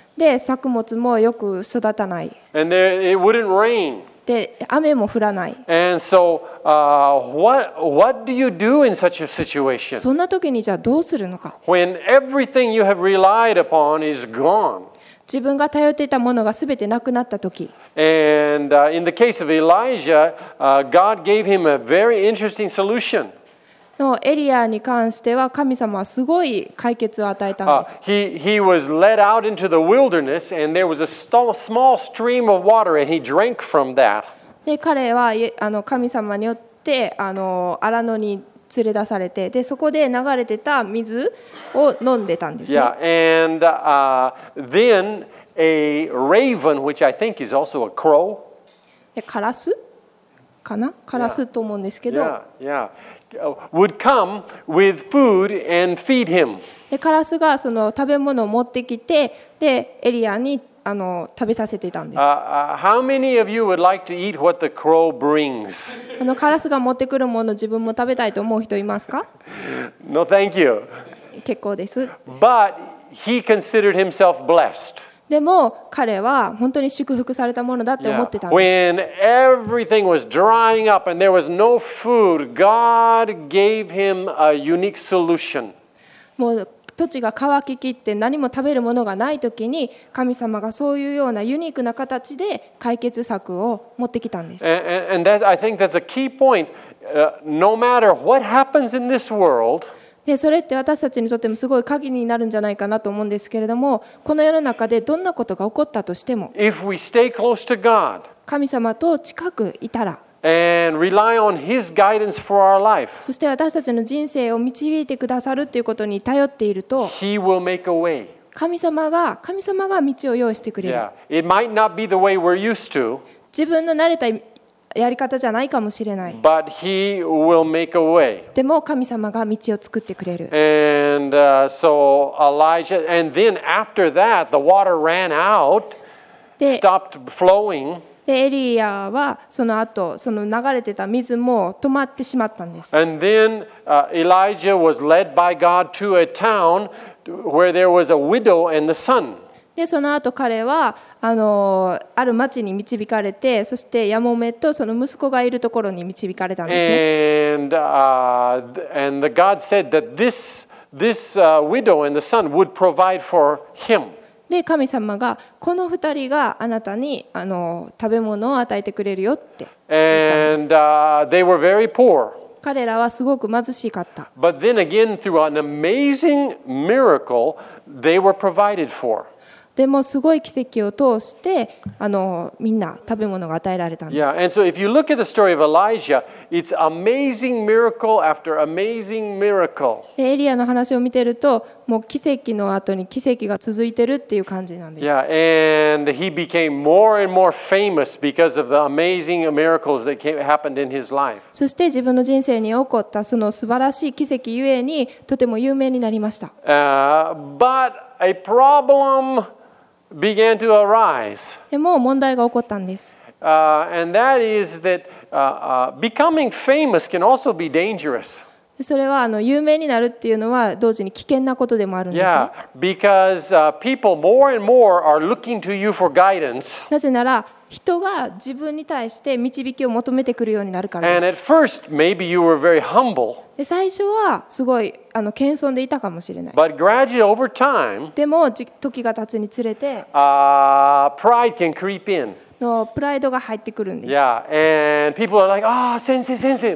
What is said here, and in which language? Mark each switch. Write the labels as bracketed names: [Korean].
[Japanese] で、作物もよく育たない。 [English] And there, it wouldn't rain. [Japanese] で、雨も降らない。 [English] And so, what do you do in such a situation? [Japanese] そんな時にじゃあどうするのか。 [English] When everything you have relied upon is gone. [Japanese] 自分が頼っていたものがすべてなくなったとき。 [English] And in the case of Elijah, God gave him a very interesting solution. [Japanese] のエリアに関しては神様はすごい解決を与えたんです。 [English] He was led out into the wilderness, and there was a small stream of water, and he drank from that. [Japanese] で彼は神様によって荒野に連れ出されて、でそこで流れてた水を飲んでたんですね。 [English] Yeah, and then a raven, which I think is also a crow. [Japanese] カラスかな？カラスと思うんですけど。 [English] Yeah. Would come with food and feed him. [Japanese] でカラスがその食べ物を持ってきて、でエリアに食べさせていたんです。 [English] How many of you would like to eat what the crow brings? [Japanese] カラスが持ってくるものを自分も食べたいと思う人いますか [English] No, thank you. [Japanese] 結構です。 [English] But he considered himself blessed. [Japanese] でも彼は本当に祝福されたものだって思ってたんです。 [English] Yeah. When everything was drying up and there was no food, God gave him a unique solution. [Japanese] もう土地が乾ききって何も食べるものがないときに神様がそういうようなユニークな形で解決策を持ってきたんです。 [English] And that, I think that's a key point. No matter what happens in this world, [Japanese] でそれって私たちにとってもすごい鍵になるんじゃないかなと思うんですけれども、この世の中でどんなことが起こったとしても、 [English] If we stay close to God, [Japanese] 神様と近くいたら、 [English] And rely on His guidance for our life. [Japanese] そして私たちの人生を導いてくださるということに頼っていると、 [English] He will make a way. [Japanese] 神様が道を用意してくれる。 [English] Yeah. It might not be the way we're used to. [Japanese] 自分の慣れたやり方じゃないかもしれない。 [English] But He will make a way. [Japanese] でも神様が道を作ってくれる。 [English] And so Elijah, and then after that, the water ran out, stopped flowing. [Japanese] でエリアはその後その流れてた水も止まってしまったんです。 [English] And then, Elijah was led by God to a town where there was a widow and the son. [Japanese] でその後彼はある町に導かれて、そしてヤモメとその息子がいるところに導かれたんですね。 [English] And, and the God said that this widow and the son would provide for him. [Japanese] で神様がこの二人があなたに食べ物を与えてくれるよって言ったんです。 [English] And, they were very poor. [Japanese] 彼らはすごく貧しかった。 [English] But then again, through an amazing miracle, they were provided for. [Japanese] でもすごい奇跡を通してみんな食べ物が与えられたんです。 [English] Yeah, and so if you look at the story of Elijah, it's amazing miracle after amazing miracle. [Japanese] でエリアの話を見てると、もう奇跡の後に奇跡が続いてるっていう感じなんです。 [English] Yeah, and he became more and more famous because of the amazing miracles that happened in his life. [Japanese] そして自分の人生に起こったその素晴らしい奇跡ゆえにとても有名になりました。 [English] But a problem began to arise. [Japanese] でも問題が起こったんです。 [English] And that is that becoming famous can also be dangerous. [Japanese] それは有名になるっていうのは同時に危険なことでもあるんですね。 [English] Yeah, because people more and more are looking to you for guidance. [Japanese] なぜなら人が自分に対して導きを求めてくるようになるからです。 [English] And at first, maybe you were very humble. [Japanese] で最初はすごい謙遜でいたかもしれない。 [English] But gradually, over time, [Japanese] でも時が経つにつれて、 [English] pride can creep in. [Japanese] のプライドが入ってくるんです。 [English] Yeah, and people are like, ah, [Japanese] 先生先生、